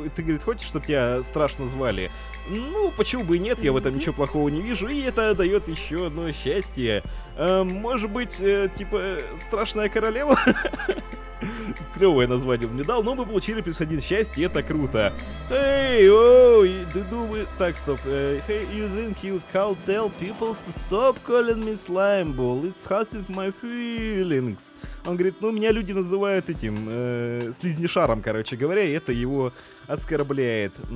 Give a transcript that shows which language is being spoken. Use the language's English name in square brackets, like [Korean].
[Russian] Ты, говорит, хочешь, чтобы тебя страшно звали? Ну, почему бы и нет, я в этом ничего плохого не вижу, и это дает еще одно счастье. Может быть, типа, страшная королева? Клевое название мне дал, но мы получили плюс один счастье, это круто. Эй, оу, ты думаешь... Так, стоп. [English] Hey, you think you can tell people to stop calling me Slimeball? It's hurting my feelings. [Russian] Он говорит, ну, меня люди называют этим, слизнишаром, короче говоря, и это его оскорбляет.